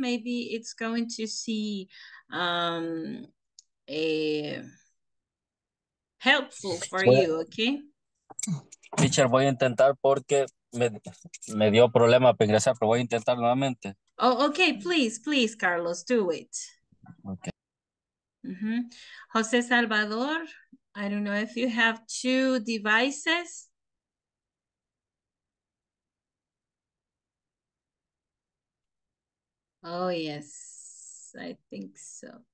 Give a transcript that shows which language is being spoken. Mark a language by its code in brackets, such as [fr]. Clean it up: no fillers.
[en] Maybe it's going to see helpful for you, okay? [es] Teacher, voy a intentar porque me dio problema para ingresar, pero voy a intentar nuevamente. [en] Oh, okay, please, Carlos, do it. Okay. Mm-hmm. Jose Salvador, I don't know if you have 2 devices. Oh, yes, I think so.